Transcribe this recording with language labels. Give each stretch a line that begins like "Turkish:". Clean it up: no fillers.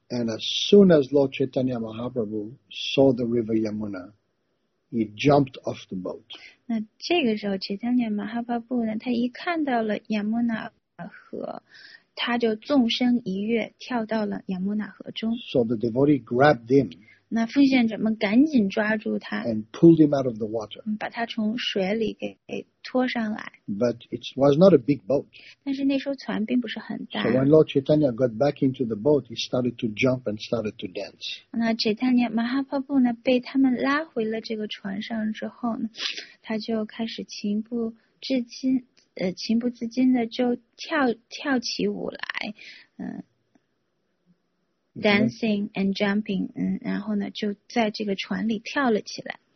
English: And as soon as Lord Chaitanya Mahaprabhu saw the river Yamuna,He jumped off the boat.
Chinese: 那这个时候，齐达念马哈巴布呢，他一看到了亚穆纳河，他就纵身一跃，跳到了亚穆纳河中。
English: So the devotee grabbed him.
Chinese: 那奉献者们赶紧抓住他
English: ，and pulled him out of the water.
Chinese: 把他从水里给拖上来。
English: But it was not a big boat.
Chinese: 但是那艘船并不是很大。
English: So when Lord Chaitanya got back into the boat, he started to jump and started to dance.
Chinese: 那 Chaitanya Mahaprabhu 呢，被他们拉回了这个船上之后呢，他就开始情不自禁的就跳起舞来， Dancing and jumping, 然后呢就在这个船里跳了起来。